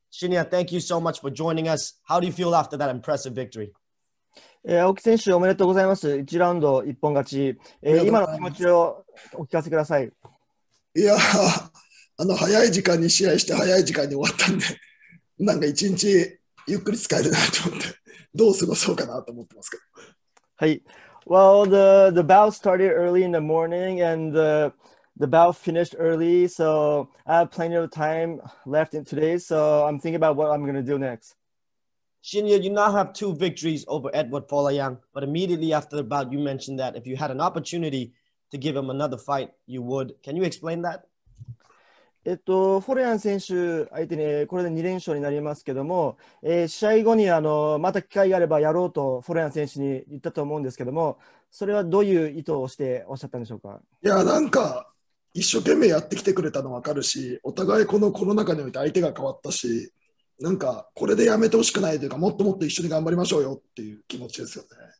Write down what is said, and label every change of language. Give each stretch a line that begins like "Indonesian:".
English: Shinya, thank you so much for joining us. How do you feel after that impressive victory?
Japanese: Aoki 選手おめでとうございます。1ラウンド1本勝ち。今の気持ちをお聞かせください。いや、あの早い時間に試合して早い時間に終わったんで、なんか1日ゆっくり使えるなと思って、どう過ごそうかなと思ってますけど。はい。
English: Well, the bout started early in the morning and the bout finished early, so I have plenty of time left in today, so I'm thinking about what I'm going to do next. Shinya, you now have two victories over Eduard Folayang, but immediately after the bout, you mentioned that if you had an opportunity to give him another fight, you would. Can you explain that?
Japanese: フォレアン選手相手にこれで2連勝になりますけども、試合後にまた機会があればやろうとフォレアン選手に言ったと思うんですけども、それはどういう意図をしておっしゃったんでしょうか？いや、なんか一生懸命やってきてくれたの分かるし、お互いこのコロナ禍において相手が変わったし、なんかこれでやめてほしくないというか、もっともっと一緒に頑張りましょうよっていう気持ちですよね。